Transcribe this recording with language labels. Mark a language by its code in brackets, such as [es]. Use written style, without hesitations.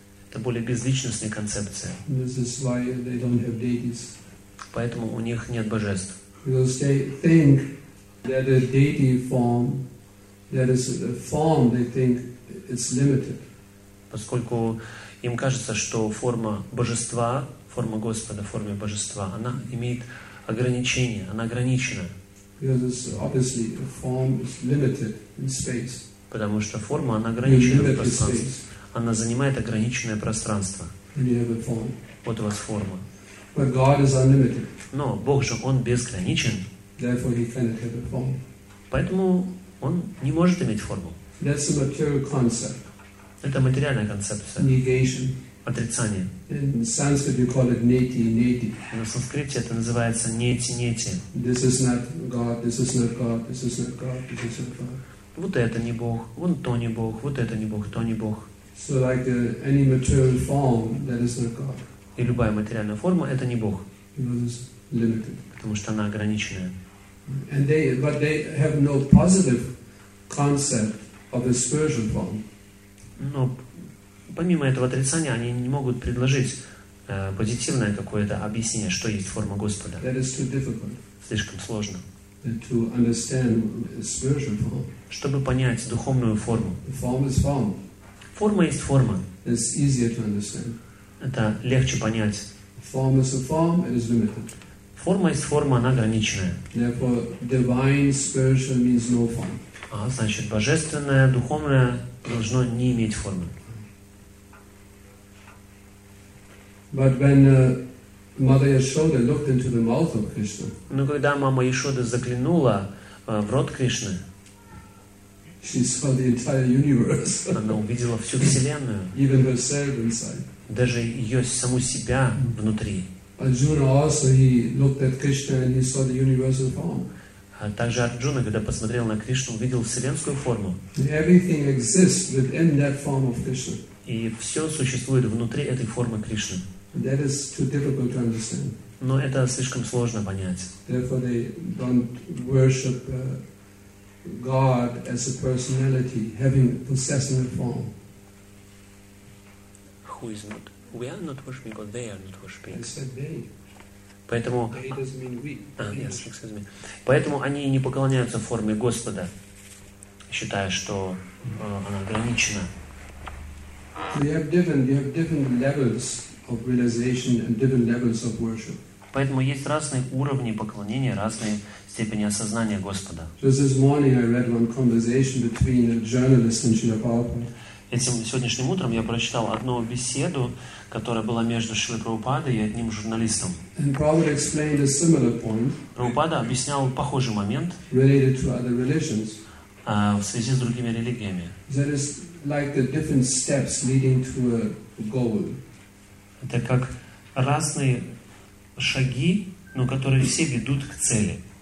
[ru] Это более безличностная концепция. [en] This is why they don't have deities. [ru] Поэтому у них нет божеств. [en] Because they think that a deity form, that is a form, they think it's limited. [ru] Поскольку им кажется, что форма божества, форма Господа, форма божества, она имеет ограничения, она ограничена. [en] Because obviously a form is limited in space. [ru] Потому что форма, она ограничена в пространстве. Она занимает ограниченное пространство. Вот у вас форма. [en] But God is unlimited. [ru] Но Бог же, Он безграничен. [en] Therefore he cannot have a form. [ru] Поэтому Он не может иметь форму. [en] That's a material concept. [ru] Это материальная концепция. [en] Negation. [ru] Отрицание. [en] In Sanskrit you call it neti neti. [ru] На санскрите это называется нети нети. [en] This is not God. This is not God. This is not God. This is not God. [ru] Вот это не Бог. Вон то не Бог. Вот это не Бог. То не Бог. [en] So like any material form that is not God. [ru] И любая материальная форма это не Бог. [en] Because it's limited. [ru] Потому что она ограниченная. [en] And they have no positive concept of a spiritual form. [ru] Но помимо этого отрицания, они не могут предложить позитивное какое-то объяснение, что есть форма Господа. [en] That is too difficult. [ru] Слишком сложно. [en] To understand spiritual form. [ru] Чтобы понять духовную форму. [en] The form is form. [ru] Форма есть форма. [en] It's easier to understand. [ru] Это легче понять. [en] Form is a form, it is limited. [ru] Форма есть форма, она ограниченная. [en] Therefore, divine spiritual means no form. [ru] А, значит, божественное, духовное должно не иметь формы. [en] But when Mother Yashoda looked into the mouth of Krishna. [ru] Но когда мама Яшода заглянула в рот Кришны. [en] She saw the entire universe. [ru] Она увидела всю вселенную. [en] Even herself inside. [ru] Даже ее саму себя внутри. [en] Arjuna also he looked at Krishna and he saw the universal form. [ru] А также Арджуна, когда посмотрел на Кришну, увидел вселенскую форму. [en] Everything exists within that form of Krishna. [ru] И все существует внутри этой формы Кришны. [en] That is too difficult to understand. [ru] Но это слишком сложно понять. [en] Therefore, they don't worship God as a personality, having possessing a form. Who is not? We are not worshiping God. They are not worshiping. I said they. [ru] Поэтому. [en] They doesn't mean we. Yes, excuse me. [ru] Поэтому они не поклоняются форме Господа, считая, что она ограничена. [en] We have different levels. Of realization and different levels of worship. [ru] Поэтому есть разные уровни поклонения, разные степени осознания Господа. [en] Just this morning I read one conversation between a journalist and Srila Prabhupada. [ru] Этим сегодняшним утром я прочитал одну беседу, которая была между Шрила Прабхупадой и одним журналистом. [en] And Prabhupada explained a similar point. [ru] Прабхупада объяснял похожий момент. [en] Related to other religions. [ru] В связи с другими религиями. [en] That is like the different steps leading to a goal. [ru] Это как разные шаги, но которые все ведут к цели.